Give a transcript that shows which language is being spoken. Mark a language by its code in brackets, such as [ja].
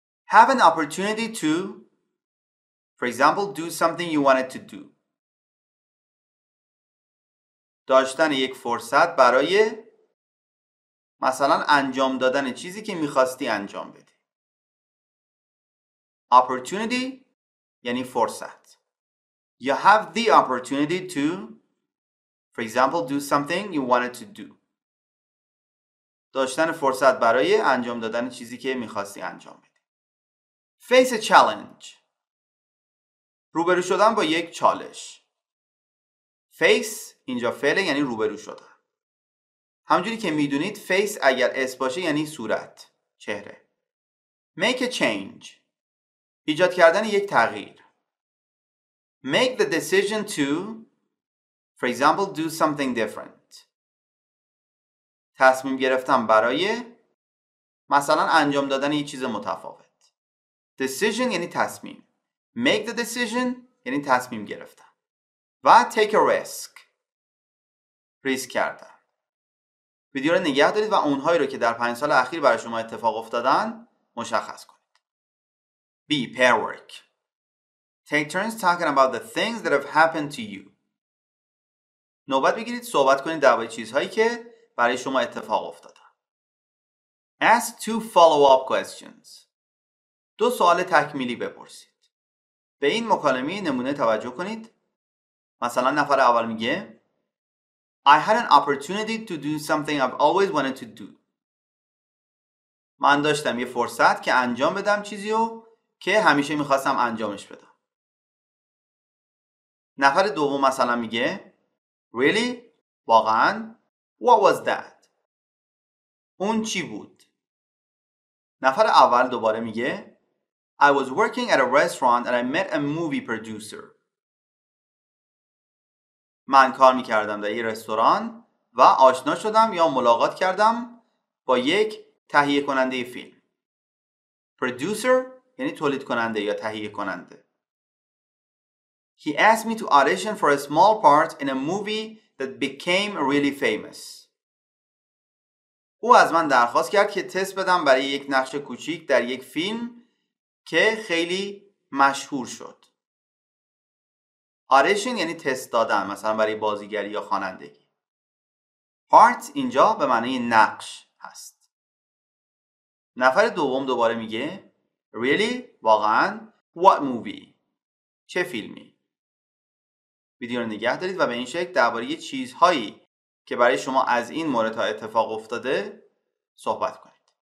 [en] Have an opportunity to for example do something you wanted to do. [fa] داشتن یک فرصت برای مثلا انجام دادن چیزی که میخواستی انجام بدی. Opportunity یعنی فرصت. [en] You have the opportunity to for example do something you wanted to do. [fa] داشتن فرصت برای انجام دادن چیزی که می‌خواستی انجام بدی. [en] Face a challenge. [fa] روبرو شدن با یک چالش. Face اینجا فعل یعنی روبرو شدن. همونجوری که می‌دونید face اگر اس باشه یعنی صورت، چهره. [en] Make a change. [fa] ایجاد کردن یک تغییر. [en] Make the decision to for example do something different. [fa] تصمیم گرفتم برای مثلا انجام دادن یه چیز متفاوت. Decision یعنی تصمیم. [en] Make the decision [fa] یعنی تصمیم گرفتم. و [en] take a risk. [fa] ریسک کردن. ویدیو رو نگه دارید و اونهایی رو که در 5 سال اخیر برای شما اتفاق افتادن مشخص کنید. [en] B. Pair work. Take turns talking about the things that have happened to you. [fa] نوبت بگیرید صحبت کنید درباره چیزهایی که برای شما اتفاق افتاده. [en] Ask two follow-up questions. [fa] دو سوال تکمیلی بپرسید. به این مکالمه نمونه توجه کنید. مثلا نفر اول میگه [en] I had an opportunity to do something I've always wanted to do. [fa] من داشتم یه فرصت که انجام بدم چیزیو که همیشه میخواستم انجامش بدم. نفر دوم مثلا میگه [en] Really? [fa] واقعاً؟ [en] What was that? [fa] اون چی بود؟ نفر اول دوباره میگه [en] I was working at a restaurant and I met a movie producer. [fa] من کار میکردم در یه رستوران و آشنا شدم یا ملاقات کردم با یک تهیه کننده فیلم. Producer یعنی تولید کننده یا تهیه کننده. [en] He asked me to audition for a small part in a movie that became really famous. [fa] او از من درخواست کرد که تست بدم برای یک نقش کوچیک در یک فیلم که خیلی مشهور شد. Audition یعنی تست دادن، مثلا برای بازیگری یا خوانندگی. Part اینجا به معنی نقش هست. نفر دوم دوباره میگه [en] Really؟ [fa] واقعا؟ [en] What movie؟ [fa] چه فیلمی؟ ویدیو رو نگه دارید و به این شکل درباره چیزهایی که برای شما از این مورد ها اتفاق افتاده صحبت کنید.